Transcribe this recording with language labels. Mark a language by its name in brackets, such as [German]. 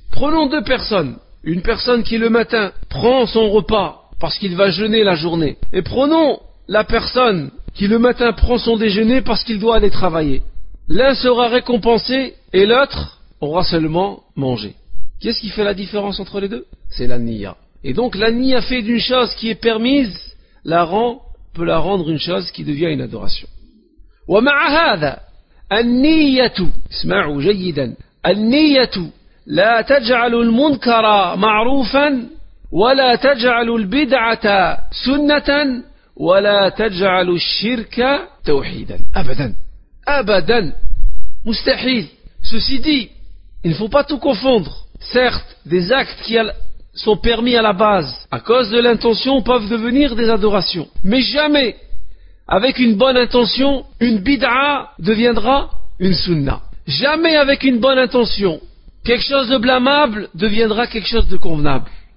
[French] Prenons deux personnes, une personne qui le matin prend son repas parce qu'il va jeûner la journée, et prenons la personne qui le matin prend son déjeuner parce qu'il doit aller travailler. L'un sera récompensé et l'autre aura seulement mangé. Qu'est-ce qui fait la différence entre les deux? C'est la niya. Et donc la niya fait d'une chose qui est permise, la rend, peut la rendre une chose qui devient une adoration. [Arabic] ومع هذا النية اسمعوا جيدا النية لا تجعل المنكر معروفا ولا تجعل البدعة سنة ولا تجعل الشرك توحيدا أبدا أبدا مستحيل. [French] Ceci dit, il ne faut pas tout confondre. Certes, des actes qui sont permis à la base à cause de l'intention peuvent devenir des adorations, mais jamais avec une bonne intention, une bid'a deviendra une sunna. Jamais avec une bonne intention, quelque chose de blâmable deviendra quelque chose de convenable.